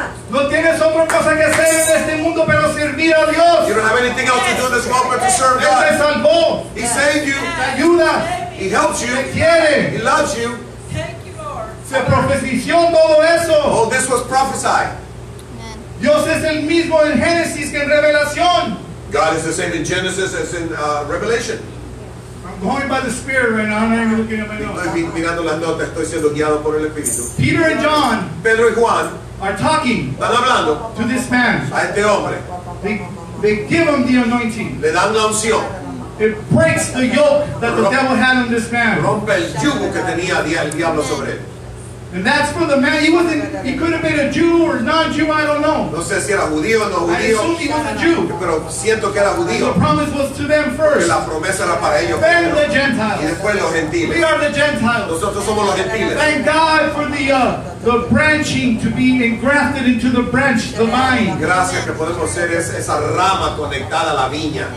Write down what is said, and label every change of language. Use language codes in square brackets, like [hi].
[es] No tienes otra cosa que hacer en este mundo pero servir a Dios. [en] You don't have anything else to do in this world but to serve God. [es] Él te salvó. [en] He saved you. [es] Te ayuda. [en] He helps you. [es] Te quiere. [en] He loves you. Thank you, Lord. [es] Se profetizó todo eso. [en] Oh, this was prophesied. [es] Dios es el mismo en Génesis que en Revelación. [en] God is the same in Genesis as in Revelation. Going by the Spirit right now. I'm not even looking at my notes. [es] Estoy mirando las notas. Estoy siendo guiado por el Espíritu. [en] Peter and John. [es] Pedro y Juan. [en] Are talking. [es] Están hablando. [en] To this man. [es] A este hombre. [en] They They give him the anointing. [es] Le dan la unción. [en] It breaks the yoke that the devil had on this man. [es] Rompe el yugo que tenía el diablo sobre él. [en] And that's for the man. He could have been a Jew or non-Jew, I don't know. [es] No sé si era judío o no judío. [en] I assume he was a Jew. [es] Pero siento que era judío. [en] The promise was to them first. [es] La promesa era para ellos. [en] Then the Gentiles. [es] Y después los gentiles. [en] We are the Gentiles. [es] Nosotros somos los gentiles. [en] Thank God for the branching to be engrafted into the branch, the vine. [es] Gracias que podemos ser esa rama conectada a la viña.